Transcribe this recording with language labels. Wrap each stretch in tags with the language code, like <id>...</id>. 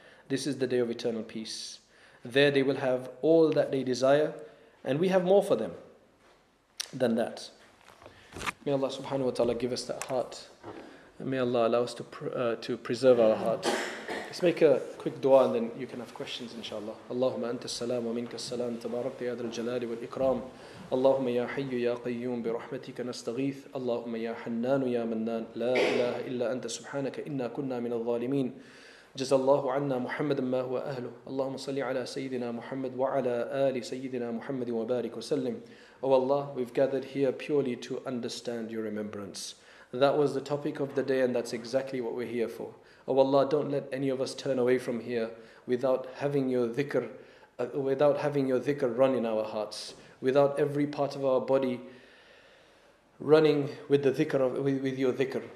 <en>This is the day of eternal peace. There they will have all that they desire, and we have more for them than that. May Allah subhanahu wa ta'ala give us that heart. And may Allah allow us to preserve our heart. Let's make a quick dua and then you can have questions, inshallah.</en> <ar>Allahumma anta salam wa minka salam, tabarakta ya dhal jalali wal ikram. اللهم يا حي يا قيوم برحمتك نستغيث اللهم يا حنان يا منان لا إله إلا أنت سبحانك إنا كنا من الظالمين جزى الله عنا محمد ما هو أهله اللهم صل على سيدنا محمد وعلى آل سيدنا محمد وبارك وسلم</ar> <en>Oh Allah, we've gathered here purely to understand your remembrance. That was the topic of the day, and that's exactly what we're here for. Oh Allah, don't let any of us turn away from here without having your dhikr run in our hearts. Without every part of our body running with the dhikr of, with your dhikr.</en>